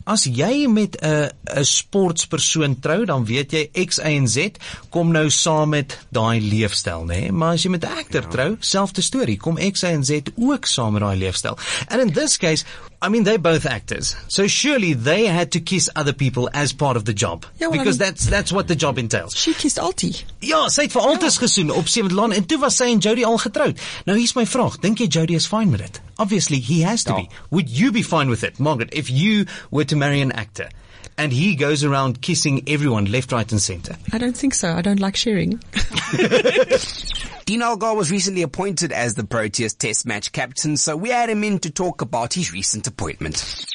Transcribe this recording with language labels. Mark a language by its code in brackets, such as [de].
[af] As jy met 'n sportspersoon trou, dan weet jy X, Y en Z kom nou saam met daai leefstyl, nê? Maar as jy met 'n akter trou, selfde storie, kom X, Y en Z ook saam met daai leefstyl. [en] And in this case, I mean, they're both actors. So surely they had to kiss other people as part of the job. Ja, well, because I mean, that's what the job entails. She kissed Altie. [af] Ja, sy het vir Altus gesoen op 7th Lawn, en toe was sy en Jodie al getroud. Nou, hier's my vraag. Dink jy Jodie is fine met dit? [en] Obviously, he has to be. Would you be fine with it, Margaret, if you were to marry an actor and he goes around kissing everyone left, right and center? I don't think so. I don't like sharing. Dean Algar was recently appointed as the Proteas Test Match captain, so we had him in to talk about his recent appointment.